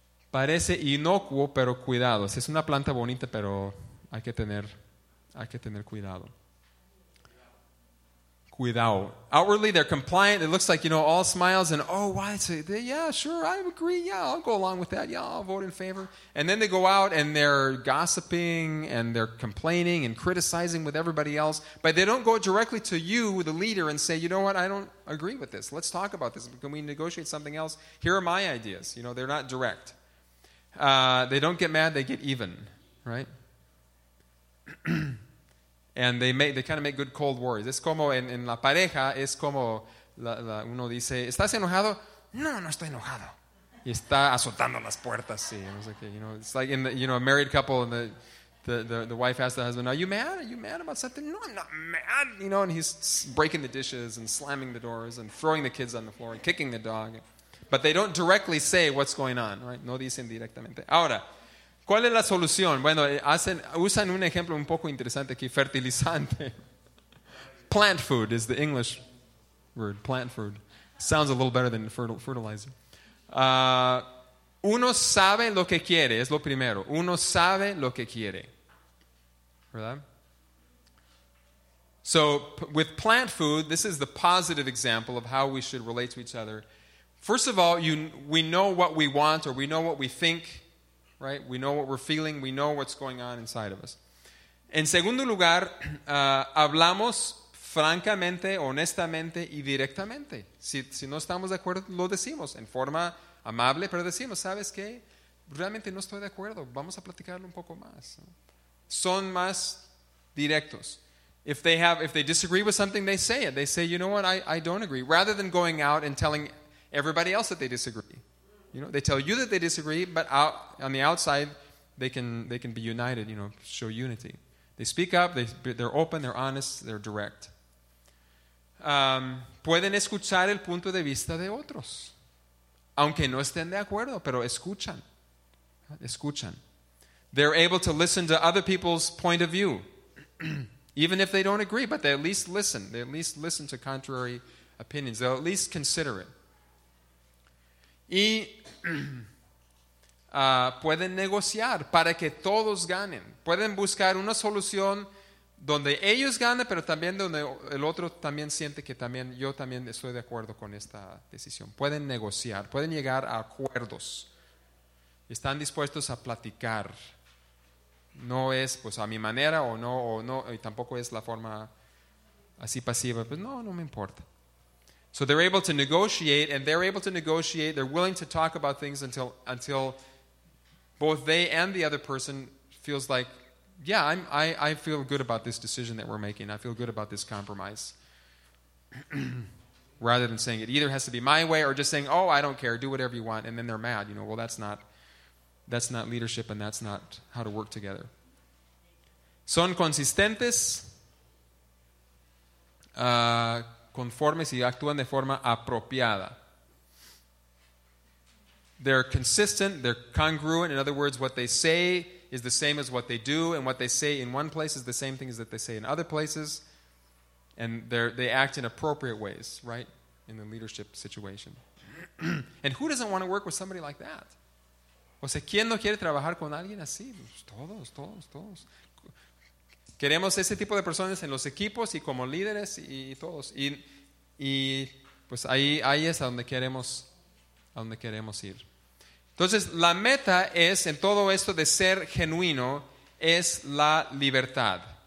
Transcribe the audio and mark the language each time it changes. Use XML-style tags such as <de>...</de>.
<es>Parece inocuo, pero cuidado. Es una planta bonita, pero hay que tener cuidado.</es> <en>Without outwardly they're compliant, it looks like all smiles and I agree, I'll go along with that, I'll vote in favor. And then they go out and they're gossiping and they're complaining and criticizing with everybody else, but they don't go directly to you, the leader, and say, I don't agree with this, let's talk about this, can we negotiate something else, here are my ideas. They're not direct. They don't get mad, they get even, right? And they kind of make good cold wars.</en> <es>Es como en la pareja, es como uno dice, ¿estás enojado? No estoy enojado. Y está azotando las puertas. Sí.</es> <en>And it's like, it's like in a married couple, and the wife asks the husband, are you mad? Are you mad about something? No, I'm not mad. And he's breaking the dishes and slamming the doors and throwing the kids on the floor and kicking the dog. But they don't directly say what's going on, right?</en> <es>No dicen directamente. Ahora, ¿cuál es la solución? Usan un ejemplo un poco interesante aquí, fertilizante.</es> <en>plant food is the English word. Plant food sounds a little better than fertilizer.</en> <es>Uno sabe lo que quiere. Es lo primero. Uno sabe lo que quiere. ¿Verdad?</es> <en>So with plant food, this is the positive example of how we should relate to each other. First of all, we know what we want, or we know what we think, right? We know what we're feeling. We know what's going on inside of us.</en> <es>En segundo lugar, hablamos francamente, honestamente y directamente. Si no estamos de acuerdo, lo decimos en forma amable, pero decimos, ¿sabes qué? Realmente no estoy de acuerdo. Vamos a platicarlo un poco más. Son más directos.</es> <en>If they disagree with something, they say it. They say, you know what, I don't agree. Rather than going out and telling everybody else that they disagree. You know, they tell you that they disagree, but out, on the outside, they can be united, you know, show unity. They speak up, they're open, they're honest, they're direct.</en> <es>Pueden escuchar el punto de vista de otros. Aunque no estén de acuerdo, pero escuchan. Escuchan.</es> <en>They're able to listen to other people's point of view. Even if they don't agree, but they at least listen. They at least listen to contrary opinions. They'll at least consider it.</en> <es>Y pueden negociar para que todos ganen. Pueden buscar una solución donde ellos ganen, pero también donde el otro también siente que también yo también estoy de acuerdo con esta decisión. Pueden negociar, pueden llegar a acuerdos. Están dispuestos a platicar. No es pues a mi manera o no, y tampoco es la forma así pasiva, pues no me importa.</es> <en>So they're able to negotiate, and they're able to negotiate, they're willing to talk about things until both they and the other person feels like, yeah, I feel good about this decision that we're making, I feel good about this compromise. Rather than saying it either has to be my way or just saying, oh, I don't care, do whatever you want, and then they're mad, you know, well, that's not leadership, and that's not how to work together.</en> <es>Son consistentes, conformes y actúan de forma apropiada.</es> <en>They're consistent, they're congruent. In other words, what they say is the same as what they do, and what they say in one place is the same thing as that they say in other places. And they act in appropriate ways, right, in the leadership situation. And who doesn't want to work with somebody like that?</en> <es>O sea, ¿quién no quiere trabajar con alguien así? Pues todos. Queremos ese tipo de personas en los equipos y como líderes y todos. Y pues ahí es a donde queremos ir. Entonces, la meta es, en todo esto de ser genuino, es la libertad.</es>